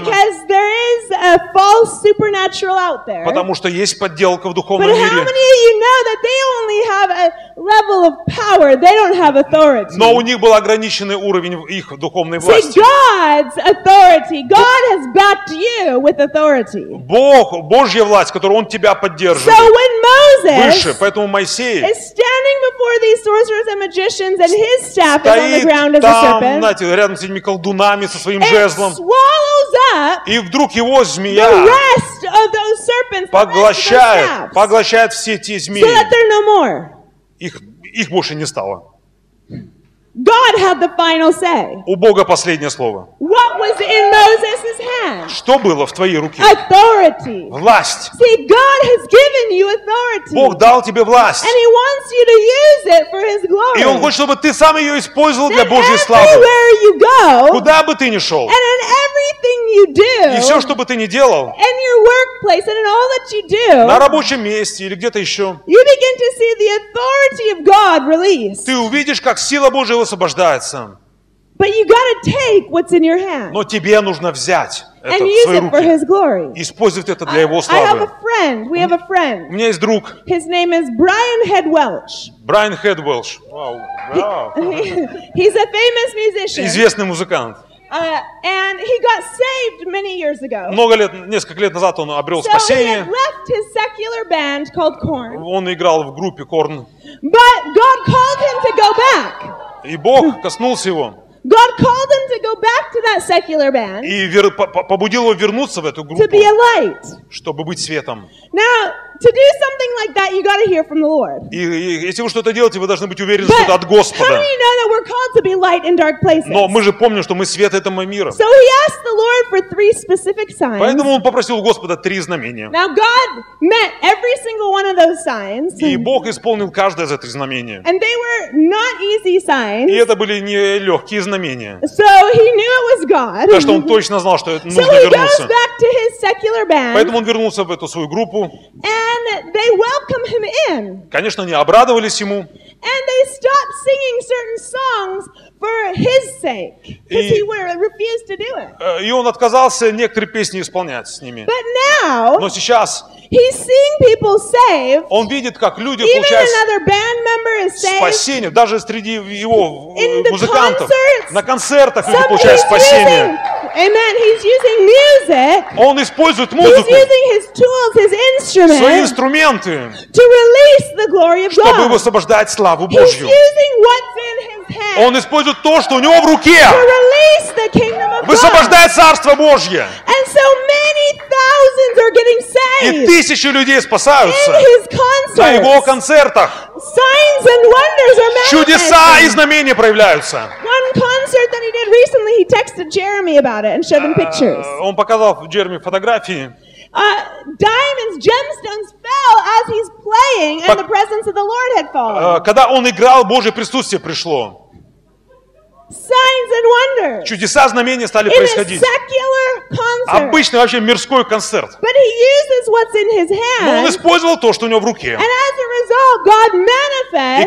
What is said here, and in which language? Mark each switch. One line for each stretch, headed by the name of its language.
English: Because there is a false supernatural out there.
Russian: Потому что есть подделка в духовном мире.
English: But how many of you know that they only have a level of power? They don't have authority.
Russian: Но у них был ограниченный уровень их духовной власти.
English: See, God's authority. God has backed you with authority.
Russian: Бог, Божья власть, которую Он тебя поддерживает.
English: So when Moses
Russian: выше, поэтому Моисей
English: is standing before these sorcerers and magicians and his staff is on the ground as a serpent.
Russian: Знаете, рядом с этими колдунами со своим жезлом.
English: Swallows up.
Russian: И вдруг его змея поглощает все эти змеи.
English: So that they're no more.
Russian: Их больше не стало.
English: God had the final say.
Russian: У Бога последнее слово.
English: What was in Moses's hand?
Russian: Что было в твоей руке?
English: Authority.
Russian: Власть.
English: See, God has given you authority.
Russian: Бог дал тебе власть.
English: And He wants you to use it for His glory.
Russian: И Он хочет, чтобы ты сам ее использовал для Божьей славы.
English: And everywhere you go.
Russian: Куда бы ты ни шел.
English: And in everything you do.
Russian: И все, что бы ты ни делал.
English: In your workplace and in all that you do.
Russian: На рабочем месте или где-то еще.
English: You begin to see the authority of God released.
Russian: Ты увидишь, как сила Божья освобождается.
English: But you gotta take what's in your hand.
Russian: Но тебе нужно взять это
English: and use
Russian: свои
English: it
Russian: руки.
English: For His glory.
Russian: Использовать это для Его славы.
English: I have a friend. We have a friend.
Russian: У меня есть друг.
English: His name is Brian Head Welch. Brian Head Welch. He's a famous musician.
Russian: Известный музыкант.
English: And he got saved many years ago.
Russian: Много лет, несколько лет назад он обрел спасение.
English: So he had left his secular band called Korn.
Russian: Он играл в группе Korn.
English: But God called him to go back.
Russian: И Бог коснулся его.
English: God called him to go back to that secular band.
Russian: И побудил его вернуться в эту группу.
English: To be a light.
Russian: Чтобы быть светом.
English: Now, to do something like that, you got to hear from the Lord.
Russian: И если вы что-то делаете, вы должны быть уверены, что это от Господа.
English: But how do you know that we're called to be light in dark places?
Russian: Но мы же помним, что мы свет этого мира.
English: So he asked the Lord for three specific signs.
Russian: Поэтому он попросил у Господа три знамения.
English: Now God met every single one of those signs.
Russian: И Бог исполнил каждое из этих знамений.
English: And they were not easy signs.
Russian: И это были не легкие знамения.
English: So he knew it was God.
Russian: Так что он точно знал, что нужно вернуться.
English: So he goes back to his secular band.
Russian: Поэтому он вернулся в эту свою группу.
English: And they welcome him in.
Russian: Конечно, они обрадовались ему.
English: And they stopped singing certain songs for his sake, because he refused to do it.
Russian: И он отказался некоторые песни исполнять с ними.
English: But now,
Russian: но сейчас,
English: He's seeing people saved.
Russian: Он видит, как люди получают спасение. Даже среди его музыкантов, на концертах люди получают спасение.
English: Amen. He's using music.
Russian: Он использует музыку.
English: He's using his tools, his instruments.
Russian: Свои инструменты.
English: To release the glory of God.
Russian: Чтобы высвобождать славу Божью.
English: He's using what's in his hand.
Russian: Он использует то, что у него в руке.
English: To release the kingdom of God.
Russian: Высвобождает царство Божье.
English: And so many thousands are getting saved.
Russian: И тысячи людей спасаются.
English: In his concerts.
Russian: На его концертах.
English: Signs and wonders are manifest.
Russian: Чудеса и знамения проявляются.
English: One concert that he did recently, he texted Jeremy about it and showed him pictures.
Russian: Он показал Джереми фотографии.
English: Diamonds, gemstones fell as he's playing, and the presence of the Lord had fallen.
Russian: Когда он играл, Божье присутствие пришло.
English: Signs and wonders.
Russian: Чудеса, знамения стали происходить.
English: In a secular concert.
Russian: Обычный вообще мирской концерт.
English: But he uses what's in his hand.
Russian: Но он использовал то, что у него в руке.
English: And as a result, God manifests.